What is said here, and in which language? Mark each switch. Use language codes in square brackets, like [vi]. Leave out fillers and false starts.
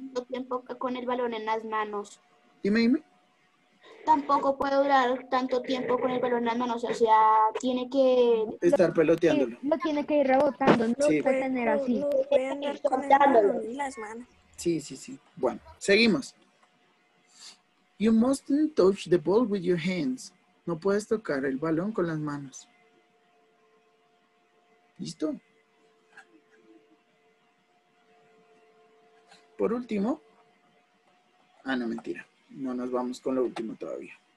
[es] Tiempo con el balón en las manos. Dime. Tampoco puede durar tanto tiempo con el balón en las manos, o sea, tiene que... Estar peloteándolo. No tiene que ir rebotando, no sí. Puede tener así. No puede andar con el balón en las manos. Sí. Bueno, seguimos. [en] You mustn't touch the ball with your hands. [es] No puedes tocar el balón con las manos. ¿Listo? Por último. Ah, no, mentira. No nos vamos con lo último todavía.